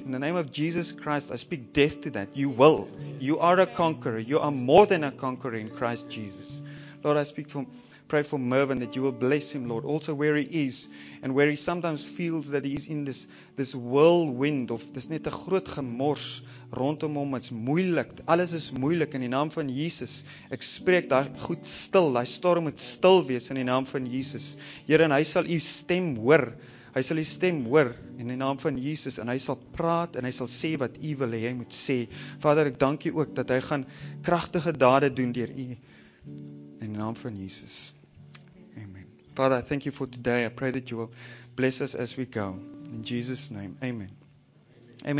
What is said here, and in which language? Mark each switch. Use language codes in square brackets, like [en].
[en] In the name of Jesus Christ, I speak death to that. You will. You are a conqueror. You are more than a conqueror in Christ Jesus. Lord, I speak for, pray for Mervin that you will bless him, Lord. Also where he is and where he sometimes feels that he's in this whirlwind of this [af] net a groot gemors rondom hom. [en] It's [af] moeilik. Alles is moeilik in die naam van Jesus. Ek spreek daar goed stil. Daar storm moet stil wees in die naam van Jesus. Here, en hy sal u stem hoor. Hy sal die stem hoor in die naam van Jesus en hy sal praat en hy sal sê wat u wil hê hy moet sê. Vader, ek dank u ook dat hy gaan kragtige dade doen deur u. [en] In the name of Jesus. Amen. Father, I thank you for today. I pray that you will bless us as we go. In Jesus' name. Amen. Amen. Amen.